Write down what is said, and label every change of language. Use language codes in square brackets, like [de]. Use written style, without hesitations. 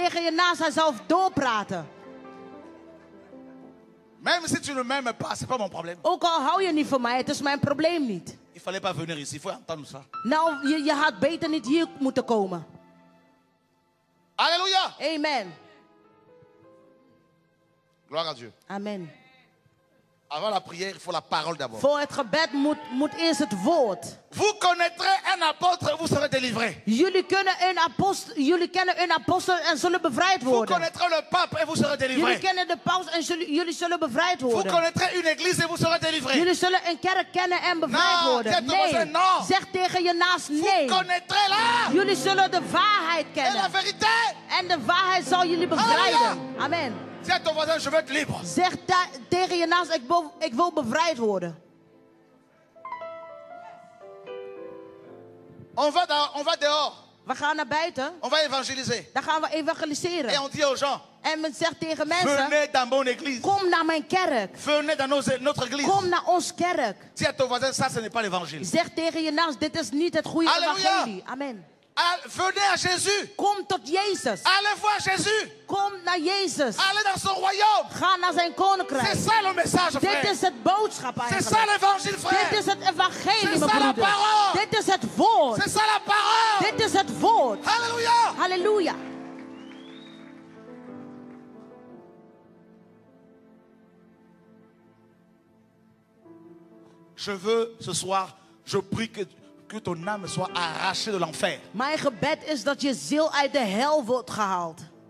[nl] Tegen je naast, hij zal doorpraten. [fr] Même si tu ne m'aimes pas, c'est pas mon problème. [nl] Ook al hou je niet van mij, het is mijn probleem niet. [fr] Il fallait pas venir ici, faut entendre ça. [nl] Nou, je had beter niet hier moeten komen. Alléluia. Amen. [fr] Gloire à Dieu. Amen. Avant la prière, il faut la parole d'abord. [nl] Voor het gebed moet eerst het woord. [fr] Vous connaîtrez un apôtre, vous serez délivrés. [nl] Jullie kennen een apostel en zullen bevrijd worden. [fr] Vous connaîtrez le pape et vous serez délivrés. [nl] Jullie kennen de paus en jullie zullen bevrijd worden. [fr] Vous connaîtrez une église et vous serez délivrés. [nl] Jullie zullen een kerk kennen en bevrijd worden. Nee. Zeg tegen je naast nee. [fr] Vous connaîtrez là. [nl] Jullie zullen de waarheid kennen. [fr] Et la vérité. [nl] En de waarheid zal jullie bevrijden. Halleluja. Amen. Zeg [fr] ton voisin, je veux être libre. [nl] Zeg tegen je naast, ik wil bevrijd worden. [fr] On va dehors. [nl] We gaan naar buiten. [fr] On va évangéliser. [nl] Dan gaan we evangeliseren. [fr] Et on dit aux gens. [nl] En men zegt tegen mensen. [fr] Venez dans mon église. [nl] Kom naar mijn kerk. [fr] Venez dans notre église. [nl] Kom naar ons kerk. Zeg [fr] ton voisin, ça ce n'est pas l'évangile. [nl] Zeg tegen je naast, dit is niet het goede evangelie. Amen. [fr] Venez à Jésus. [nl] Kom tot Jezus. [fr] Allez voir Jésus. [nl] Kom naar Jezus. [fr] Allez dans son royaume. [nl] Ga naar zijn koninkrijk. [fr] C'est ça le message, frère. [nl] Dit is het boodschap eigenlijk. [fr] C'est ça l'évangile, frère. [nl] Dit is het evangelie, [fr] c'est ça la parole. [nl] Dit is het woord. [fr] C'est ça la parole. [nl] Dit is het woord. Halleluja. Halleluja. [fr] Je veux ce soir, je prie que que ton âme soit arrachée de l'enfer. [nl] Mijn gebed is dat je ziel uit de hel wordt gehaald.